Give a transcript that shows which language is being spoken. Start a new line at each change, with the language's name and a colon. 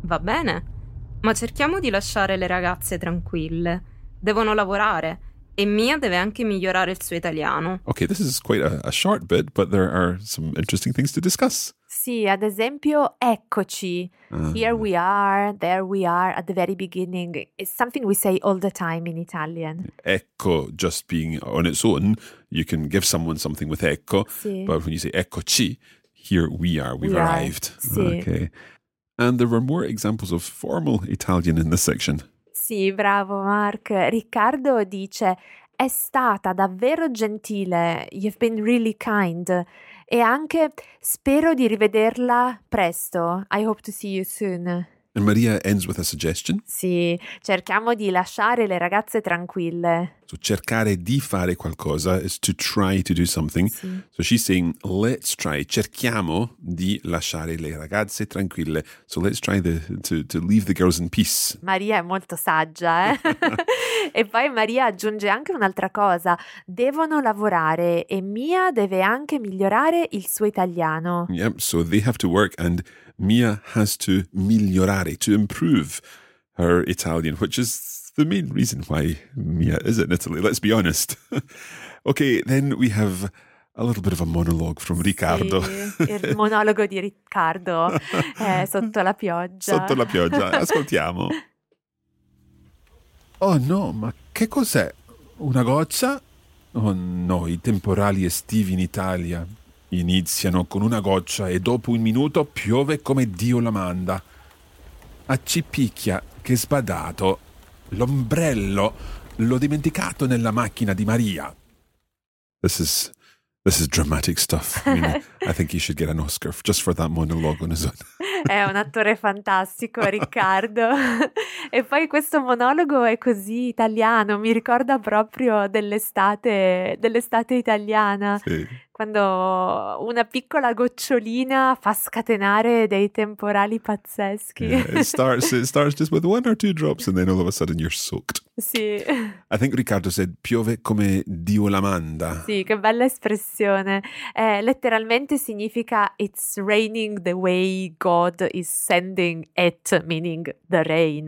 Italian: Va bene, ma cerchiamo di lasciare le ragazze tranquille. Devono lavorare E Mia deve anche migliorare il suo italiano.
English: Okay, this is quite a short bit, but there are some interesting things to discuss.
Italian: Sì, ad esempio, eccoci.
English: Here we are, there we are, at the very beginning. It's something we say all the time in Italian. Ecco, just being on its own, you can give someone something with ecco.
Italian: Sì.
English: But when you say eccoci, here we are, we've arrived.
Italian: Sì.
English: Okay. And there were more examples of formal Italian in this section.
Italian: Sì, bravo Mark. Riccardo dice, è stata davvero gentile,
English: you've been really kind.
Italian: E anche, spero di rivederla presto,
English: I hope to see you soon. And Maria ends with a suggestion.
Italian: Sì, cerchiamo di lasciare le ragazze tranquille.
English: So
Italian: cercare di fare qualcosa
English: is to try to do something.
Italian: Sì.
English: So she's saying, let's try,
Italian: cerchiamo di lasciare le ragazze tranquille.
English: So let's try to leave the girls in peace.
Italian: Maria è molto saggia, eh? E poi Maria aggiunge anche un'altra cosa. Devono lavorare e Mia deve anche migliorare il suo italiano.
English: Yep, so they have to work and Mia has to migliorare, to improve her Italian, which is the main reason why Mia is in Italy, let's be honest. Okay, then we have a little bit of a monologue from Riccardo.
Italian: Sì, il monologo di Riccardo, sotto la pioggia. Sotto la pioggia, ascoltiamo. Oh no, ma che cos'è? Una goccia? Oh no, i temporali estivi in Italia iniziano con una goccia e dopo un minuto piove come Dio la manda. A Cipicchia, che sbadato, l'ombrello l'ho dimenticato nella macchina di Maria.
English: This is dramatic stuff. I mean, I think he should get an Oscar just for that monologue on his own.
Italian: È un attore fantastico, Riccardo. E poi questo monologo è così italiano, mi ricorda proprio dell'estate italiana. Sì. Quando una piccola gocciolina fa scatenare dei temporali pazzeschi.
English: Yeah, it starts just with one or two drops and then all of a sudden you're soaked.
Italian: Sì.
English: I think Riccardo said,
Italian: piove come Dio la manda. Sì, che bella espressione. Letteralmente significa,
English: it's raining the way God is sending it, meaning the rain.